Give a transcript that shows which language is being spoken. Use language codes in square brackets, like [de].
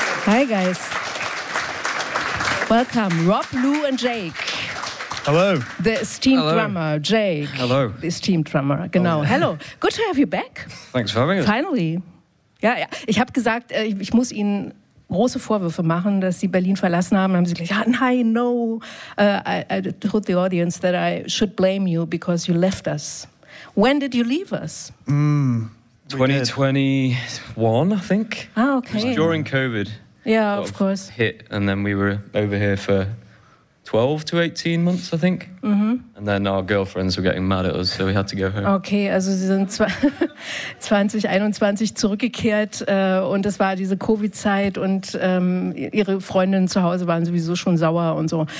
[en] Hi, guys. Welcome, Rob, Lou and Jake. Hello. The esteemed drummer, Jake. Hello. The esteemed drummer, genau. Oh. Hello. Good to have you back. Thanks for having us. Finally. Ja, ja. [de] Ich habe gesagt, ich muss Ihnen große Vorwürfe machen, dass Sie Berlin verlassen haben. Dann haben Sie gesagt, nein, no. [en] I told the audience that I should blame you because you left us. When did you leave us? 2021, I think. Ah, okay. It was during COVID. Yeah, of course. Hit, and then we were over here for 12 to 18 months, I think. Mm-hmm. And then our girlfriends were getting mad at us, so we had to go home. [de] Okay, also sie sind 2021 zurückgekehrt und es war diese Covid-Zeit und ihre Freundinnen zu Hause waren sowieso schon sauer und so.